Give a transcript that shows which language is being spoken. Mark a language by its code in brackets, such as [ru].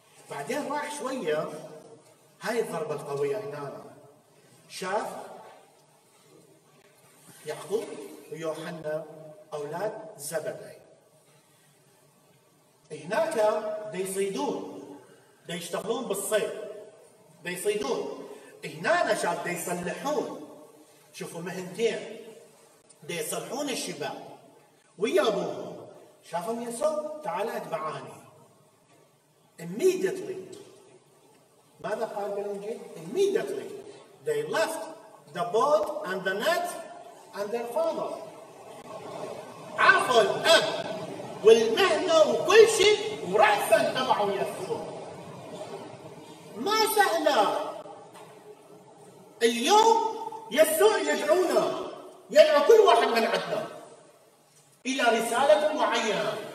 [ar] بعدين راح شوية، هاي الضربة القوية هنا، شاف يعقوب ويوحنا أولاد زبدي هناك دي يصيدون، دي يشتغلون بالصيد، دي يصيدون هنا، شاف دي يصلحون، شوفوا مهنتين دي يصلحون الشباب ويا أبوهم، شافهم يسوع تعال اتبعاني. [en] immediately [ar] ماذا قال بالإنجيل؟ [en] immediately they left the boat and the net and their father. [ar] عفوا الأب والمهنة وكل شيء ورأسا تبعوا يسوع. ما سهلة. اليوم يسوع يدعونا، يدعو كل واحد من عندنا إلى رسالة معينة.